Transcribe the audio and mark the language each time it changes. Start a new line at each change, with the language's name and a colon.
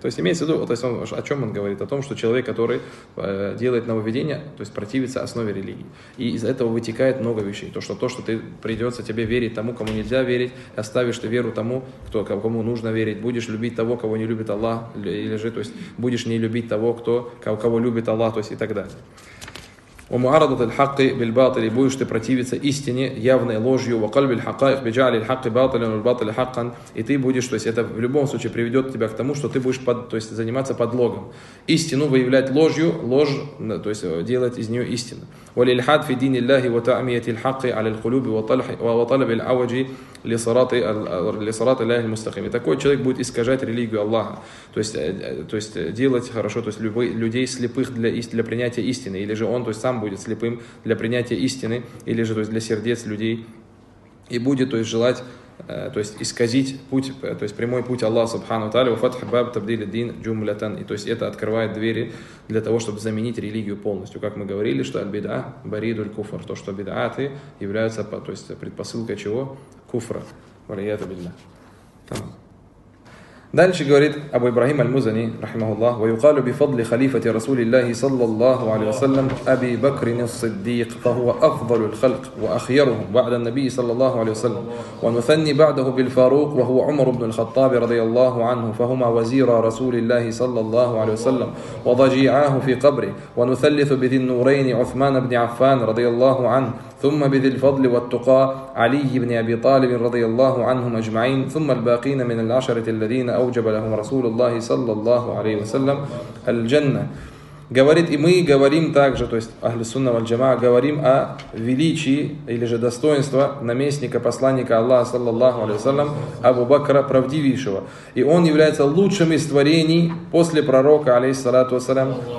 Russian: То есть имеется в виду, то есть он, о чем он говорит? О том, что человек, который делает нововведение, то есть противится основе религии. И из этого вытекает много вещей. То, что ты придется тебе верить тому, кому нельзя верить, оставишь ты веру тому, кому нужно верить. Будешь любить того, кого не любит Аллах, или же, то есть будешь не любить того, кого любит Аллах, то есть и так далее.
Arabic: ومعارضة الحق بالباطل بويش تبرتيبيتس
Russian: истине явной ложью
Arabic: وقلب الحقائق بجعل الحق باطلا والباطل حقا.
Russian: И ты будешь, то есть это в любом случае приведет тебя к тому, что ты будешь заниматься подлогом. Истину выявлять ложью, ложь, то есть делать из нее истину.
Arabic: وللحاد في دين الله وتعمية الحق على القلوب وطلب العوج لصراط الله المستقيم.
Russian: И такой человек будет искажать религию Аллаха. То есть делать хорошо, то есть людей слепых для принятия истины. Или же он, то есть сам будет слепым для принятия истины, или же, то есть, для сердец людей. И будет, то есть, желать, то есть исказить путь, то есть прямой путь Аллаха субхану тааля, фатх баб табдили дин джумлятан. И то есть это открывает двери для того, чтобы заменить религию полностью. Как мы говорили, что аль-бида баридуль куфр, то, что бидааты являются, то есть предпосылка чего? Куфра. Валиату биллях. Дальше говорит Абу Ибрахим аль-Музани, рахимахуллах,
Arabic: ويقالوا بفضل خليفة رسول الله صلى الله عليه وسلم أبي بكر الصديق فهو أفضل الخلق وأخيرهم بعد النبي صلى الله عليه وسلم ونثني بعده بالفاروق وهو عمر بن الخطاب رضي الله عنه فهما وزيرا رسول الله صلى الله عليه وسلم وضجيعاه في قبره ونثلث بذي النورين عثمان بن عفان رضي الله عنه ثم بذي الفضل والتقى علي بن أبي طالب رضي الله عنهم أجمعين ثم الباقين من العشرة الذين أوجب لهم رسول الله صلى الله عليه وسلم الجنة
Russian: говорит, и мы говорим также, то есть Ахли Сунна валь Джамаа, говорим о величии или же достоинстве наместника, посланника Аллаха, саллаллаху алейхи ва саллям, Абу Бакра Правдивейшего. И он является лучшим из творений после пророка, алейхиссалату вассалям.